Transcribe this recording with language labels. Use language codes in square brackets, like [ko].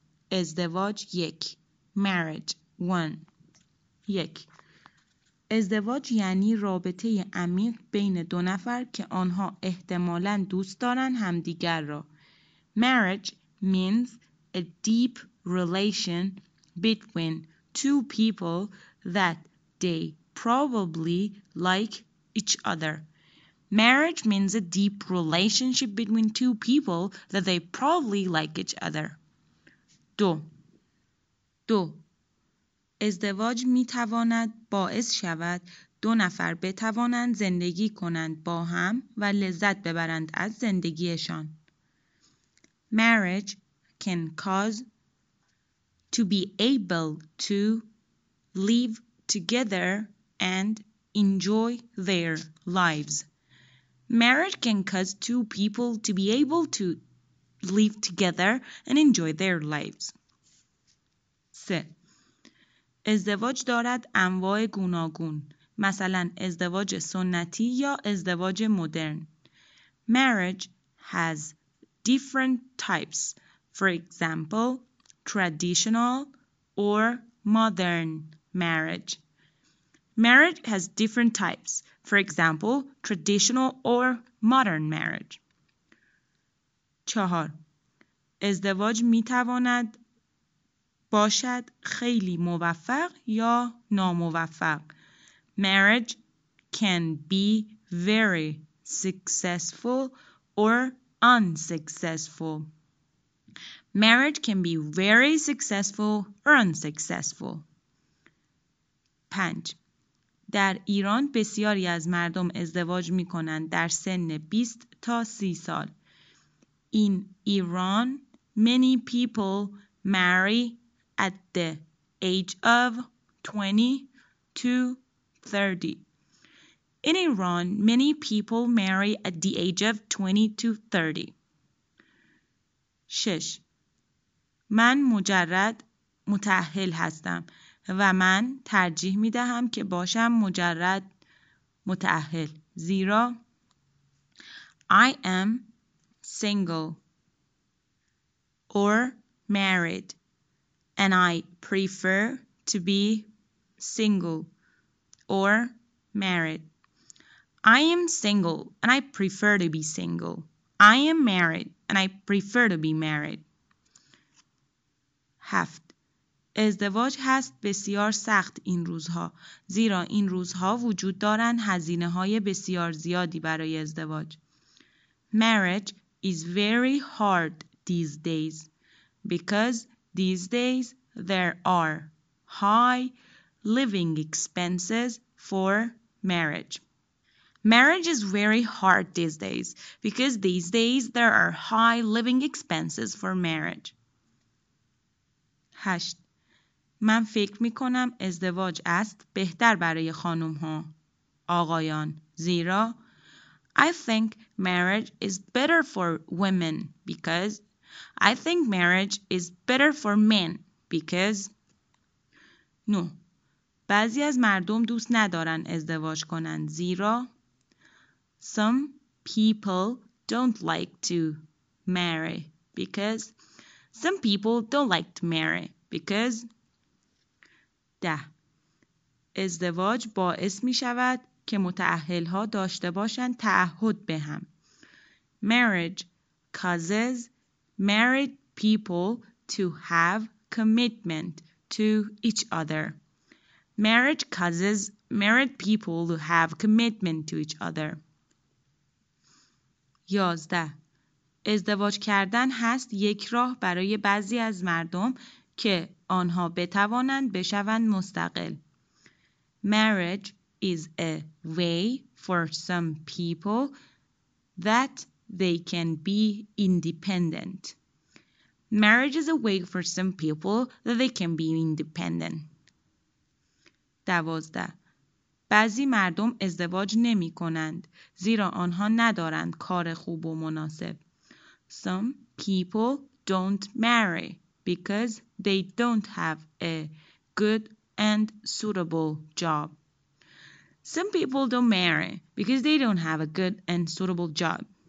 [fa] ازدواج 1 marriage 1 ازدواج یعنی رابطه عمیق بین دو نفر که آنها احتمالاً دوست دارن همدیگر را. [en] Marriage means a deep relation between two people that they probably like each other. Marriage means a deep relationship between two people that they probably like each other. [fa] دو ازدواج می تواند باعث شود دو نفر بتوانند زندگی کنند با هم و لذت ببرند از زندگیشان. [en] Marriage can cause to be able to live together and enjoy their lives. Marriage can cause two people to be able to live together and enjoy their lives. 3. [fa] ازدواج دارد انواع گوناگون، مثلا ازدواج سنتی یا ازدواج مدرن. [en] Marriage has different types, for example, traditional or modern marriage. Marriage has different types, for example, traditional or modern marriage. 4. [fa] ازدواج می تواند باشد خیلی موفق یا ناموفق. [en] Marriage can be very successful or unsuccessful. Marriage can be very successful or unsuccessful. 5. [fa] در ایران بسیاری از مردم ازدواج می کنند در سن 20 تا 30 سال. [en] In Iran, many people marry at the age of 20 to 30. In Iran, many people marry at the age of 20 to 30. [fa] 6. من مجرد متأهل هستم و من ترجیح می دهم که باشم مجرد متأهل، زیرا [en] I am single or married and I prefer to be single or married. I am single and I prefer to be single. I am married and I prefer to be married. 7. [fa] ازدواج هست بسیار سخت این روزها، زیرا این روزها وجود دارند هزینه های بسیار زیادی برای ازدواج. [en] Marriage is very hard these days because these days there are high living expenses for marriage. Marriage is very hard these days because these days there are high living expenses for marriage. 8. [fa] من فکر می کنم ازدواج است بهتر برای خانم ها، آقایان، زیرا [en] I think marriage is better for men because 9. [fa] بعضی از مردم دوست ندارن ازدواج کنن، زیرا [en] some people don't like to marry because some people don't like to marry because 10. [fa] ازدواج باعث می شود که متأهل ها داشته باشند تعهد به هم. [en] Marriage causes married people to have commitment to each other. Marriage causes married people to have commitment to each other. 11. [fa] ازدواج کردن هست یک راه برای بعضی از مردم که آنها بتوانند بشوند مستقل. [en] Marriage is a way for some people that they can be independent. Marriage is a way for some people that they can be independent. 12. [fa] بعضی مردم ازدواج نمی کنند زیرا آنها ندارند کار خوب و مناسب. [en] Some people don't marry because they don't have a good and suitable job. Some people don't marry because they don't have a good and suitable job.